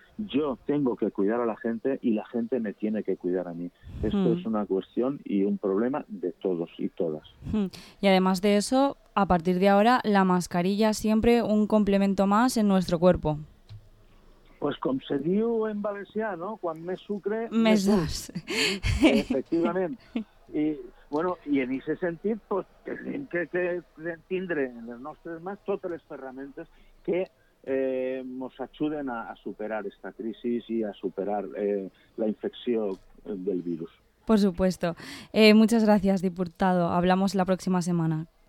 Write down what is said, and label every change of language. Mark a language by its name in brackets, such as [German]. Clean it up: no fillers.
[Spanish] Yo tengo que cuidar a la gente y la gente me tiene que cuidar a mí. Esto es una cuestión y un problema de todos y todas. Y además de eso, a partir de ahora, la mascarilla siempre un complemento más en nuestro cuerpo. Pues como se diu en valencià, ¿no? [Catalan] Quan més sucre, més dos. Efectivament. I, bueno, i en aquest sentit, pues, tenim que tindre en les nostres mans totes les ferramentes que ens ajuden a superar aquesta crisi i a superar la infecció del virus. [Spanish] Por supuesto. Muchas gracias, diputado. Hablamos la próxima semana.